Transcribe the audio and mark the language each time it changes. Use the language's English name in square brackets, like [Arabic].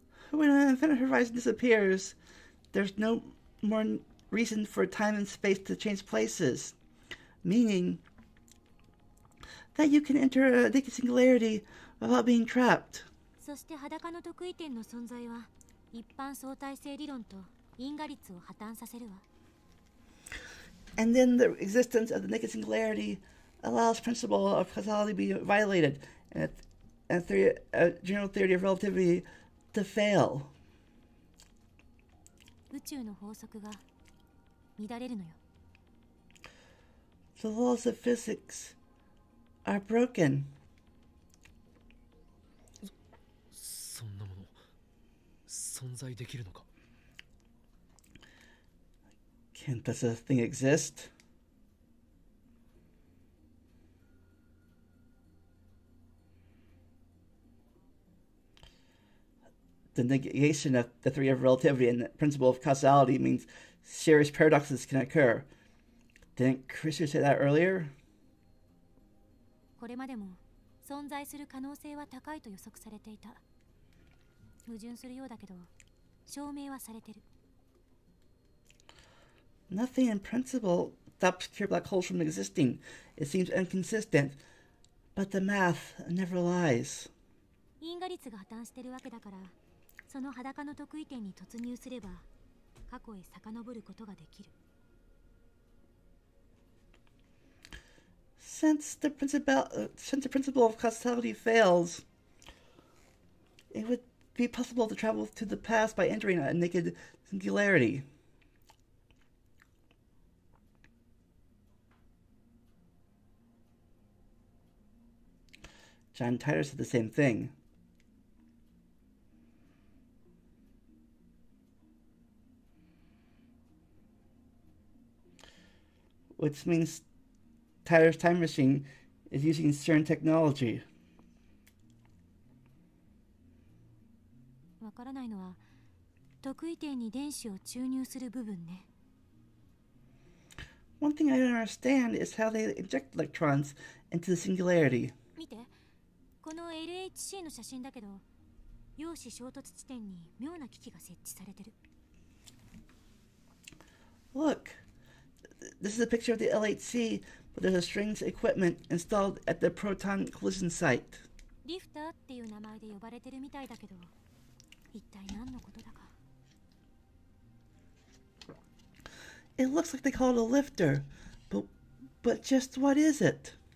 [English] When an infinite horizon disappears, there's no more reason for time and space to change places, meaning that you can enter a naked singularity without being trapped. [Japanese] そして裸の特異点の存在は一般相対性理論と因果律を破綻させるわ。 [English] And then the existence of the naked singularity allows principle of causality be violated, and a general theory of relativity to fail. [Japanese] 宇宙の法則が乱れるのよ。 [English] The laws of physics are broken. [Japanese] そんなもの存在できるのか? [English] Can't this thing exist? The negation of the theory of relativity and the principle of causality means serious paradoxes can occur. Didn't Christian say that earlier? [Japanese] これまでも存在する可能性は高いと予測されていた。矛盾するようだけど、証明はされてる。 [English] Nothing in principle stops pure black holes from existing. It seems inconsistent, but the math never lies. [Japanese] 因果律が破綻してるわけだから、その裸の特異点に突入すれば過去へ遡ることができる。 [English] Since the principle of causality fails, it would be possible to travel to the past by entering a naked singularity. John Titor said the same thing. Which means Tyler's time machine is using CERN technology. [Japanese] わからないのは特異点に電子を注入する部分ね。 [English] One thing I don't understand is how they inject electrons into the singularity. [Japanese] 見て、この LHC の写真だけど、陽子衝突地点に妙な機器が設置されてる。 [English] Look. This is a picture of the LHC, but there's a strange equipment installed at the proton collision site. [Japanese] Lifter っていう名前で呼ばれてるみたいだけど、一体何のことだか。 [English] It looks like they call it a lifter, but just what is it?